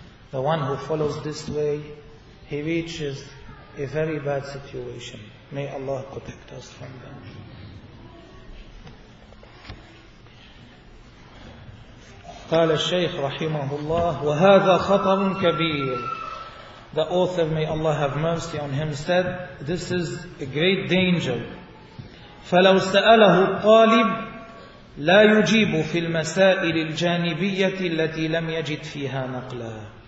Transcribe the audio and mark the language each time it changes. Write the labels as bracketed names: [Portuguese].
[English] The one who follows this way, he reaches a very bad situation. May Allah protect us from them. [Arabic] قال الشيخ رحمه الله وهذا خطر كبير. [English] The author, may Allah have mercy on him, said this is a great danger. [Arabic] فلو سأله الطالب لا يجيب في المسائل الجانبية التي لم يجد فيها نقلا.